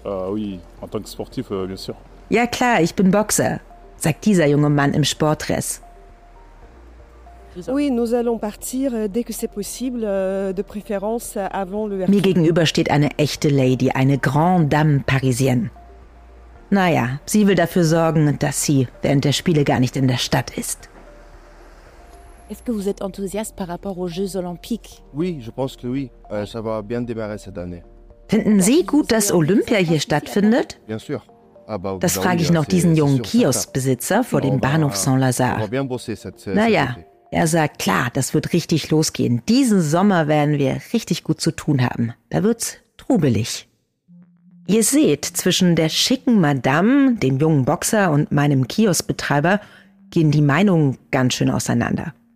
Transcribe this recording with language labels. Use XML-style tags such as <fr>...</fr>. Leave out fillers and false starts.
<fr>Oui, en tant que sportif, bien sûr.</fr> <de>Ja klar, ich bin Boxer, sagt dieser junge Mann im Sportdress.</de> <fr>Oui, nous allons partir dès que c'est possible, de préférence avant le.</fr> <de>Mir gegenüber steht eine echte Lady, eine</de> <fr>Grande Dame Parisienne.</fr> <de>Naja, sie will dafür sorgen, dass sie während der Spiele gar nicht in der Stadt ist.</de> <fr>Est-ce que vous êtes enthousiaste par rapport aux Jeux Olympiques? Oui, je pense que oui. Ça va bien démarrer cette année.</fr> <de>Finden Sie gut, dass Olympia hier stattfindet?</de> <fr>Bien sûr.</fr> <de>Das frage ich noch diesen jungen Kioskbesitzer vor dem Bahnhof Saint-Lazare. Naja, er sagt, klar, das wird richtig losgehen. Diesen Sommer werden wir richtig gut zu tun haben. Da wird's trubelig. Ihr seht, zwischen der schicken Madame, dem jungen Boxer und meinem Kioskbetreiber gehen die Meinungen ganz schön auseinander.</de>